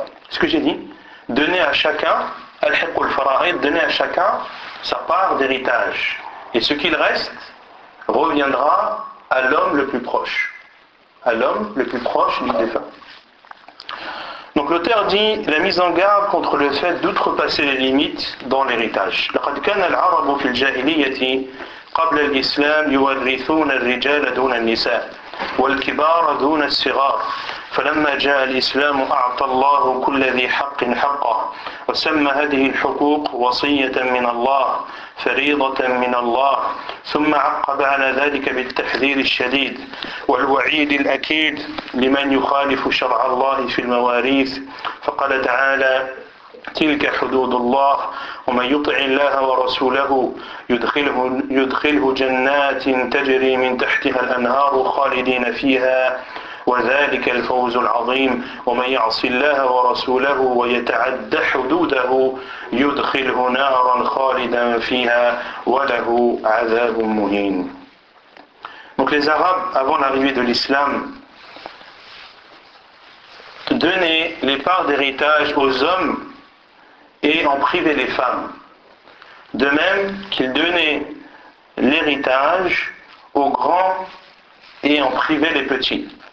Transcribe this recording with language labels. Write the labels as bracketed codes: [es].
[fr] Ce que j'ai dit, donner à chacun, al-haqqul fara'id, donner à chacun sa part d'héritage. Et ce qu'il reste reviendra à l'homme le plus proche. À l'homme le plus proche du défunt. Donc l'auteur dit la mise en garde contre le fait d'outrepasser les limites dans l'héritage. [ar] لقد كان العرب في الجاهلية قبل الإسلام يورثون الرجال دون النساء والكبار دون الصغار فلما جاء الإسلام أعطى الله كل ذي حق حقه وسمى هذه الحقوق وصية من الله فريضة من الله ثم عقب على ذلك بالتحذير الشديد والوعيد الأكيد لمن يخالف شرع الله في المواريث فقال تعالى تلك حدود الله ومن يطع الله ورسوله يدخله جنات تجري من تحتها الأنهار خالدين فيها وذلك الفوز العظيم ومن يعص الله ورسوله ويتعد حدوده يدخله نارا خالدا فيها وله عذاب مهين. [fr] Donc les Arabes, avant l'arrivée de l'islam, donnaient les parts d'héritage aux hommes et en privaient les femmes, de même qu'ils donnaient l'héritage aux grands et en privaient les petits.